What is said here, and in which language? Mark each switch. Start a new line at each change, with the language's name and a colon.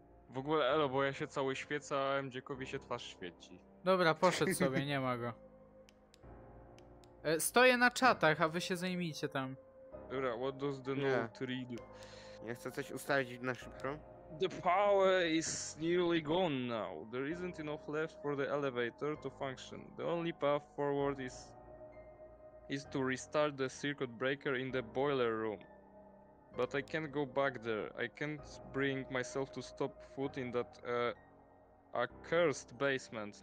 Polish: W ogóle elo, bo ja się cały świecę, a Mdziekowi się twarz świeci. Dobra, poszedł sobie, nie ma go. Stoję na czatach, a wy się zajmijcie tam. Dobra,
English: what does the note read?
Polish: Ja chcę coś ustawić na szybko.
English: The power is nearly gone now. There isn't enough left for the elevator to function. The only path forward is to restart the circuit breaker in the boiler room. But I can't go back there. I can't bring myself to stop foot in that accursed basement.